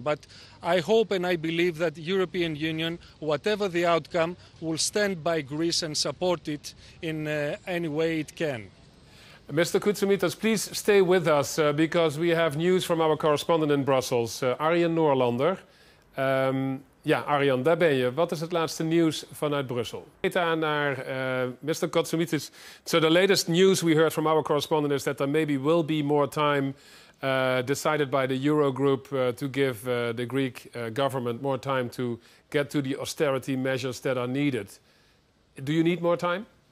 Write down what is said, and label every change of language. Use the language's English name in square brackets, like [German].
[English] But I hope and I believe that the European Union, whatever the outcome, will stand by Greece and support it in any way it can. Mr. Koutsoumitis, please stay with us because we have news from our correspondent in Brussels, Arjen Noorlander. [Dutch] Ja, Arjan, daar ben je. Wat is het laatste nieuws vanuit Brussel? [English] Mr. Koutsoumitis. So the latest news we heard from our correspondent is that there maybe will be more time decided by the Eurogroup to give the Greek government more time to get to the austerity measures that are needed. Do you need more time?